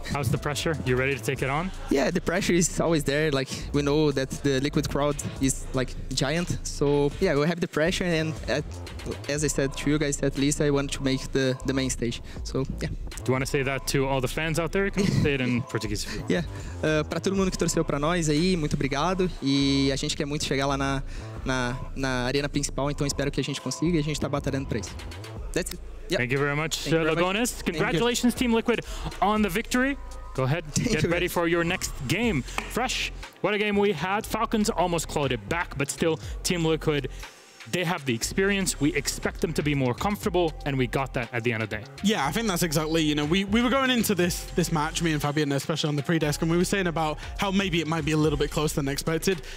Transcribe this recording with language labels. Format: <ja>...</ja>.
<en>How's the pressure? You ready to take it on? Yeah, the pressure is always there. Like we know that the Liquid crowd is like giant. So yeah, we have the pressure, and as I said to you guys, at least I want to make the main stage. So yeah. Do you want to say that to all the fans out there? Can you say it in Portuguese? Yeah.</en> <pt>Para todo mundo que torceu para nós aí, muito obrigado. E a gente quer muito chegar lá na arena principal, então espero que a gente consiga e a gente está batalhando para isso.</pt> <en>That's it. Yep. Thank you very much, Lagones. Congratulations, Team Liquid, on the victory. Go ahead, get ready for your next game. Fresh, what a game we had. Falcons almost clawed it back, but still, Team Liquid, they have the experience. We expect them to be more comfortable, and we got that at the end of the day. Yeah, I think that's exactly, you know, we were going into this match, me and Fabian, especially on the pre-desk, and we were saying about how maybe it might be a little bit closer than expected.</en>